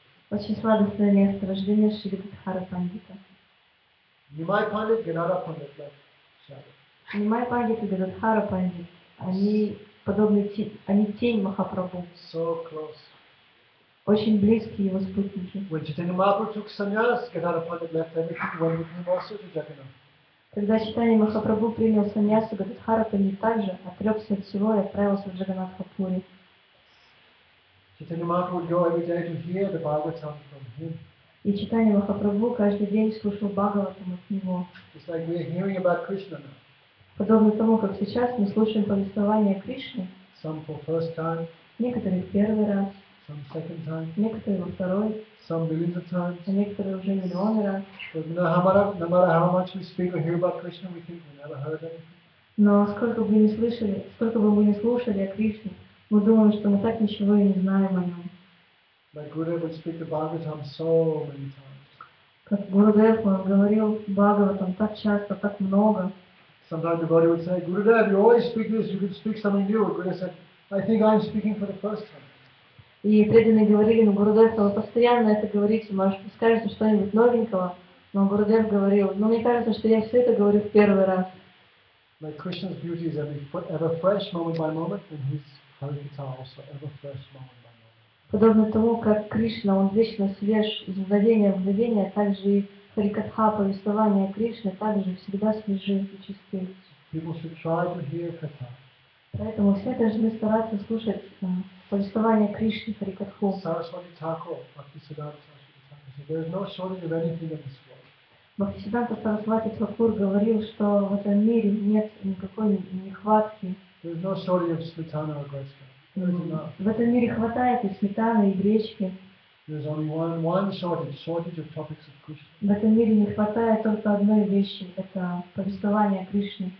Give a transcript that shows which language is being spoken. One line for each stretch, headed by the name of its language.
Russian: Очень сладостное место рождения Шри Гададхара Пандита. Нимай Пандит, Гададхара Пандит,
English: like
Russian: Нимай Пандит и Гададхара Пандит, они подобны, они тень Махапрабху.
English: So close.
Russian: Очень близкие его спутники.
English: When Chaitanya Mahaprabhu took sannyas, Gadadhara Pandit left everything and went with him also to Jagannath.
Russian: Когда Чайтанья Махапрабху принял сannyasу, Гададхара Пандит также отрекся от всего и отправился в Джаганатхапури.
English: Chaitanya Mahaprabhu would go every day to hear the Bhagavatam from him.
Russian: И Чайтанья Махапрабху каждый день слушал Бхагаватам от него.
English: It's like we're hearing about Krishna now.
Russian: Подобно тому, как сейчас мы слушаем повествование о Кришне.
English: Some for first time.
Russian: Некоторые в первый раз.
English: Some second time.
Russian: Некоторые во второй.
English: Some millions of times.
Russian: А некоторые уже миллионы раз.
English: But no matter how much we speak or hear about Krishna, we think we never heard anything.
Russian: Но сколько бы мы ни слышали, сколько бы мы ни слушали о Кришне, мы думаем, что мы так ничего и не знаем о нем.
English: My Guru would speak the Bhagavatam so many times.
Russian: Как Гурудев говорил Бхагаватам так часто, так много.
English: Sometimes the body would say, Gurudev, you always speak this, you could speak something new. Gurudev said, I think I'm speaking for the first time.
Russian: И преданные говорили, но Гурудев, вы постоянно это говорите, может, скажете что-нибудь новенького. Но Гурудев говорил, но мне кажется, что я все это говорю в первый раз.
English: Like Krishna's beauty is ever fresh moment by moment, and his Harikatha also ever fresh moment by moment.
Russian: Подобно тому, как Кришна, он вечно свеж из мгновения в мгновение, также и Харикатха, повествование Кришны, также всегда свежи и чисты.
English: People should try to hear Katha.
Russian: Поэтому все должны стараться слушать повествование Кришны Харикатху.
English: Сарасвати Тхакур, Бхактисиддханта Сарасвати Тхакур, said, there is no shortage of anything in this world.
Russian: Бхактисиддханта Сарасвати Тхакур говорил, что в этом мире нет никакой нехватки.
English: There is no shortage of сметана or гречка.
Russian: В этом мире хватает и сметаны, и гречки.
English: There is only one shortage of topics of Krishna.
Russian: В этом мире не хватает только одной вещи, это повествование Кришны.